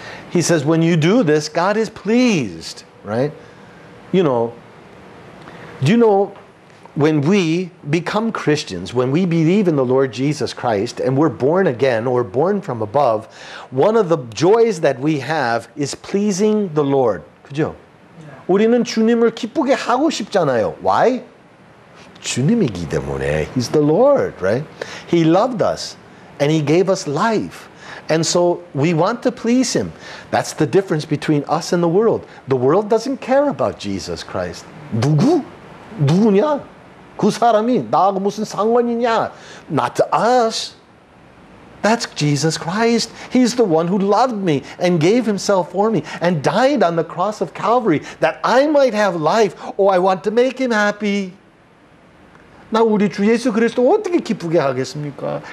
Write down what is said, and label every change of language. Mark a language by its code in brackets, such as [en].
[en] He says, when you do this, God is pleased, right? You know, do you know, when we become Christians, when we believe in the Lord Jesus Christ, and we're born again, or born from above, one of the joys that we have is pleasing the Lord. [ko] 그죠? 우리는 주님을 기쁘게 하고 싶잖아요. [en] Why? [ko] 주님이기 때문에. [en] He's the Lord, right? He loved us and he gave us life. And so we want to please him. That's the difference between us and the world. The world doesn't care about Jesus Christ. [ko] 누구? 누구냐? 그 사람이 나하고 무슨 상관이냐? [en] Not to us. That's Jesus Christ. He's the one who loved me and gave himself for me and died on the cross of Calvary that I might have life. Oh, I want to make him happy. [ko] 나 우리 주 예수 그리스도 어떻게 기쁘게 하겠습니까?